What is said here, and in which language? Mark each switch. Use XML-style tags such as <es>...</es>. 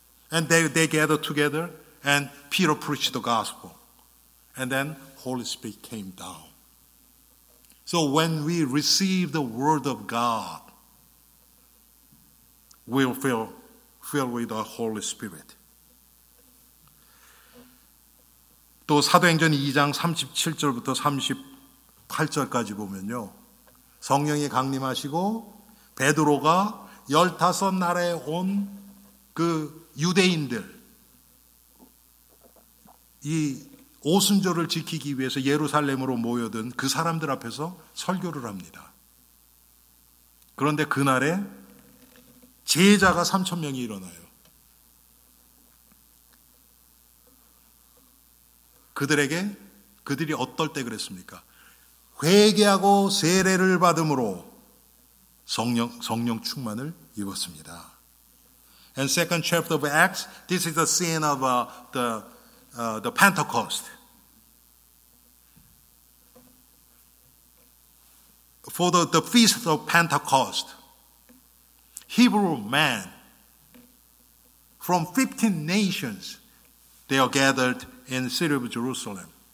<en>And they gathered together. And Peter preached the gospel. And then Holy Spirit came down. So when we receive the word of God, we'll feel filled with the Holy Spirit.</en> <ko>또 사도행전 2장 37절부터 38절까지 보면요. 성령이 강림하시고 베드로가 15 나라에 온 그 유대인들, 이 오순절을 지키기 위해서 예루살렘으로 모여든 그 사람들 앞에서 설교를 합니다. 그런데 그날에 제자가 3,000명이 일어나요. 그들에게, 그들이 어떨 때 그랬습니까? 회개하고 세례를 받음으로 성령 충만을 입었습니다.</ko> <en>And second chapter of Acts, this is the scene of the Pentecost. For the feast of Pentecost, Hebrew men from 15 nations, they are gathered in the city of Jerusalem.</en>